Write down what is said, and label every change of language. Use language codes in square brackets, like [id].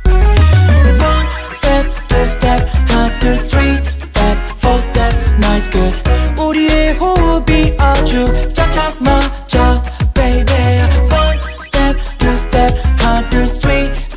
[en] One step, two step, half two, three step, four step, nice good. [ko] 우리의 호흡이 아주 짝짝 맞아, baby. [en] One step, two step, half two, three